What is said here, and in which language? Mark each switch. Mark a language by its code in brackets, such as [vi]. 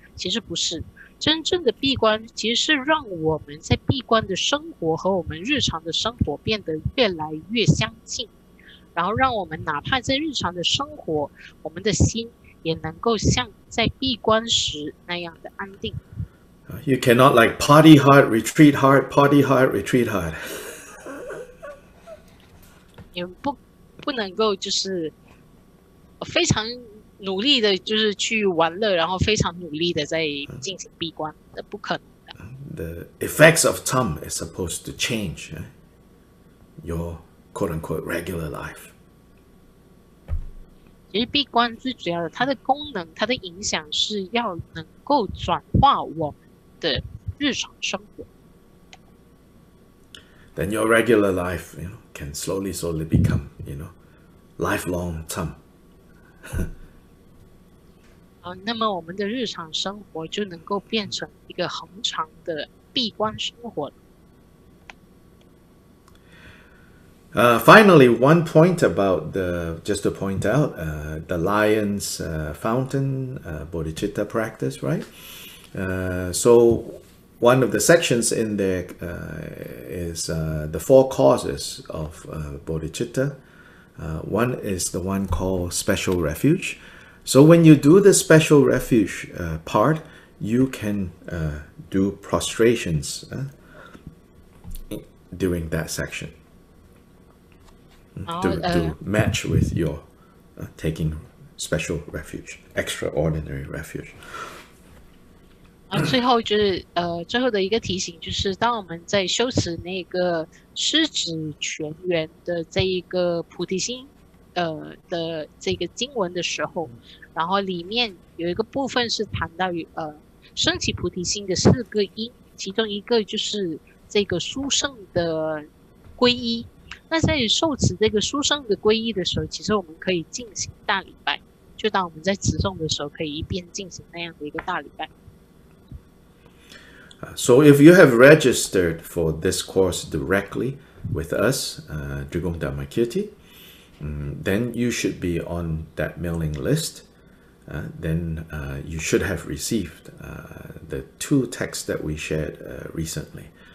[zh] 其实不是，真正的闭关其实是让我们在闭关的生活和我们日常的生活变得越来越相近，然后让我们哪怕在日常的生活，我们的心也能够像在闭关时那样的安定。 [en] You cannot like party hard, retreat hard, party hard, retreat hard. [zh] 你不能够就是非常努力的就是去玩乐，然后非常努力的在进行闭关，那不可能的。 [en] The effects of tham is supposed to change your quote unquote regular life. [zh] 其实闭关最主要的，它的功能，它的影响是要能够转化我们的日常生活。 [en] Then your regular life, you know, can slowly, slowly become, you know, lifelong Tham. [zh] 那么我们的日常生活就能够变成一个恒常的闭关生活了。 [en] Finally, one point about the, just to point out, the Lion's Fountain, Bodhicitta practice, right? So one of the sections in there is the four causes of Bodhicitta. One is the one called Special Refuge. So when you do the Special Refuge part, you can do prostrations during that section. To match with your taking special refuge, extraordinary refuge. [zh] 最后就是最后的一个提醒，就是当我们在修持那个狮子泉源的这一个菩提心的这个经文的时候，然后里面有一个部分是谈到于升起菩提心的四个因，其中一个就是这个殊胜的皈依。那在受持这个殊胜的皈依的时候，其实我们可以进行大礼拜，就当我们在持诵的时候可以一边进行那样的一个大礼拜。 [en] So if you have registered for this course directly with us, Drigong Dhammakirti, then you should be on that mailing list. Then you should have received the two texts that we shared recently.